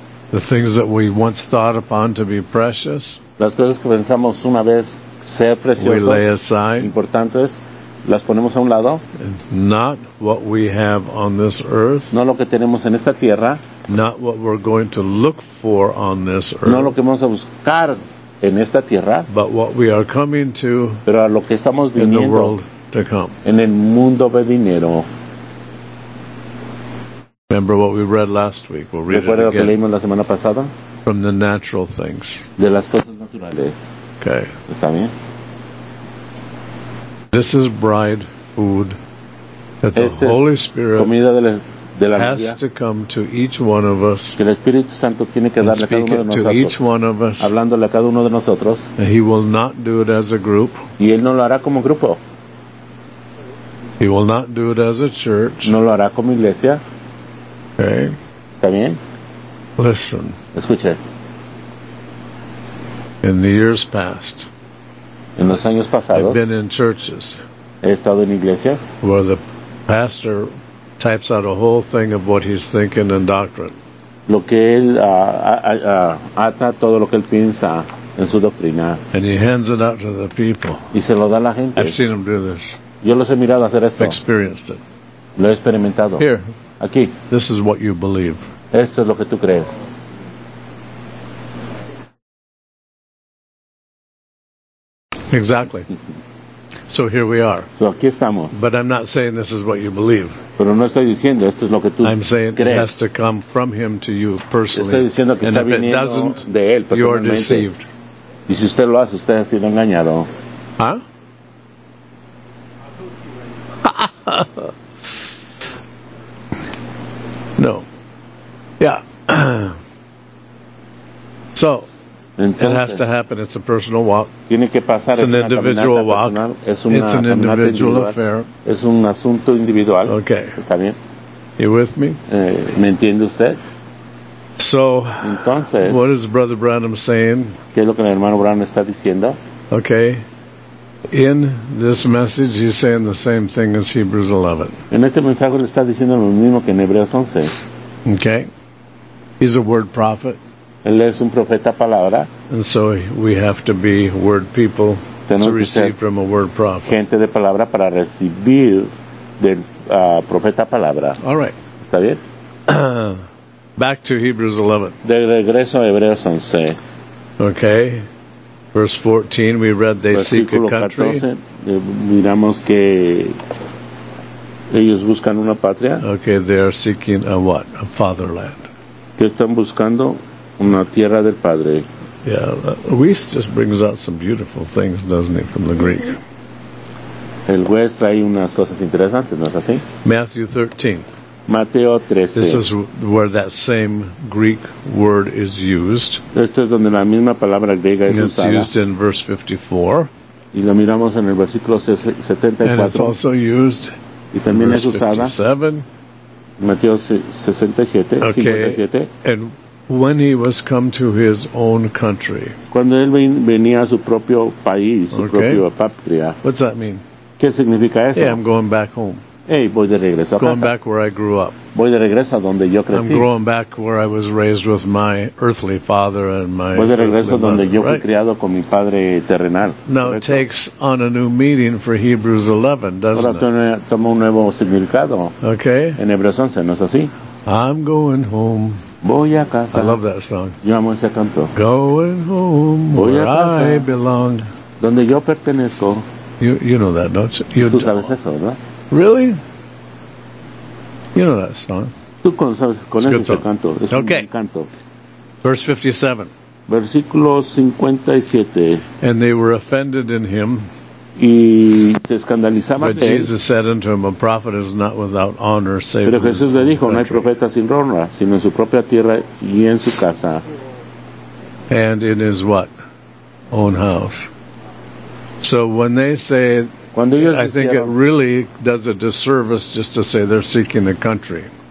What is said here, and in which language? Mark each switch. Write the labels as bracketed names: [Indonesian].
[English] The things that we once thought upon to be precious. [Spanish] Las cosas que pensamos una vez ser preciosas. [English] We lay aside. [Spanish] Importantes. Las ponemos a un lado. [English] Not what we have on this earth. [Spanish] No lo que tenemos en esta tierra. [English] Not what we're going to look for on this earth. [Spanish] No lo que vamos a buscar en esta tierra. [English] But what we are coming to. [Spanish] Pero a lo que estamos viniendo. [English] In the world to come. [Spanish] En el mundo venidero. [English] Remember what we read last week. We'll read [Spanish] recuerda [English] it again. [Spanish] Lo que leímos la semana pasada. [English] From the natural things. [Spanish] De las cosas naturales. [English] Okay. [Spanish] Está bien. [English] This is bride food that [Spanish] este [English] the Holy Spirit [Spanish] comida de la [English] has [Spanish] novia [English] to come to each one of us. [Spanish] Que el Espíritu Santo tiene que darle a cada uno de nosotros. [English] To each one of us. [Spanish] Hablándole a cada uno de nosotros. [English] And he will not do it as a group. [Spanish] Y él no lo hará como grupo. [English] He will not do it as a church. [Spanish] No lo hará como iglesia. [English] Okay. [Spanish] ¿Está bien? [English] Listen. [Spanish] Escuche. [English] In the years past. [Spanish] En los años pasados. [English] I've been in churches. [Spanish] He estado en iglesias. [English] Where the pastor types out a whole thing of what he's thinking and doctrine. [Spanish] Lo que él ata todo lo que él piensa en su doctrina. [English] And he hands it out to the people. [Spanish] Y se lo da a la gente. [English] I've seen him do this. [Spanish] Yo los he mirado hacer esto. [English] Experienced it. [Spanish] Lo he experimentado. [English] Here. [Spanish] Aquí. [English] This is what you believe. [Spanish] Esto es lo que tú crees. [English] Exactly. So here we are. [Spanish] So aquí estamos. [English] But I'm not saying this is what you believe. [Spanish] Pero no estoy diciendo, esto es lo que tú [English] I'm saying [Spanish] crees. [English] It has to come from him to you personally. [Spanish] Estoy diciendo que [English] and [Spanish] está [English] if it doesn't, [Spanish] de él, [English] you are deceived. [Spanish] Y si usted lo hace, usted ha sido engañado. Huh? No. Yeah. [English] So. [Spanish] Entonces, [English] it has to happen. It's a personal walk. [Spanish] Tiene que pasar. [English] It's an individual walk. [Spanish] Es una, [English] it's an individual affair. [Spanish] Es un asunto individual. [English] Okay. [Spanish] Está bien. [English] You with me? [Spanish] ¿Me entiende usted? [English] So, [Spanish] entonces, [English] what is Brother Branham saying? [Spanish] ¿Qué es lo que el hermano Branham está diciendo? [English] Okay. In this message, he's saying the same thing as Hebrews 11. [Spanish] En este mensaje le está diciendo lo mismo que en Hebreos 11. [English] Okay. He's a word prophet. [Spanish] Él es un profeta palabra. [English] And so we have to be word people. [Spanish] Tenemos [English] to receive from a word prophet. [Spanish] Gente de palabra para recibir del profeta palabra. [English] All right. [Spanish] ¿Está bien? [English] Back to Hebrews 11. [Spanish] De regreso a Hebreos 11. [English] Okay. Verse 14, we read they [Spanish] versículo [English] seek a country. [Spanish] 14, miramos que ellos buscan una patria. [English] Okay, they are seeking a what? A fatherland. [Spanish] ¿Qué están buscando? Una tierra del padre. [English] Yeah, Luis just brings out some beautiful things, doesn't he, from the Greek? [Spanish] El West trae unas cosas interesantes, ¿no es así? [English] Matthew 13. [Spanish] Mateo 13. [English] This is where that same Greek word is used. [Spanish] Esto es donde la misma palabra griega es usada. [English] It's used in verse 54. [Spanish] Y lo miramos en el versículo 74. [English] And it's also used [Spanish] y también [English] in verse [Spanish] es usada. 57. Mateo 67, [English] okay. 57. And when he was come to his own country. [Spanish] Cuando él venía a su propio país, su [English] okay. [Spanish] propia patria. [English] What's that mean? [Spanish] ¿Qué significa eso? [English] Hey, I'm going back home. [Spanish] Hey, voy de regreso a casa. [English] Going back where I grew up. [Spanish] Voy de regreso a donde yo crecí. [English] I'm going back where I was raised with my earthly father and my [Spanish] voy de regreso [English] earthly [Spanish] donde [English] mother, [Spanish] yo fui [English] right? [Spanish] criado con mi padre terrenal. [English] Now it takes on a new meaning for Hebrews 11, doesn't [Spanish] ahora tome, [English] it? [Spanish] Ahora toma un nuevo significado. [English] Okay. [Spanish] En Hebreos 11, ¿no es así? [English] I'm going home. [Spanish] Voy a casa. [English] I love that song. [Spanish] Yo amo ese canto. [English] Going home, [Spanish] voy [English] where [Spanish] a casa. [English] I belong. [Spanish] Donde yo pertenezco. [English] You know that, don't you? [Spanish] Tú sabes eso, ¿verdad? [English] Really? You know that song. [Spanish] Tú conoces con ese song. Canto. Es [English] okay. [Spanish] un canto. [English] Verse 57. [Spanish] Versículo 57. [English] And they were offended in him. [Spanish] Y se escandalizaba [English] but Jesus said unto him, a prophet is not without honor, save [Spanish] pero Jesús [English] in his [Spanish] le dijo, no hay profeta sin honra, sino en su propia tierra y en su casa. [English] And in his what? Own house. So when they say, [Spanish] cuando ellos [English] I think [Spanish] dijeron, [English] it really does a disservice just to say they're seeking a country.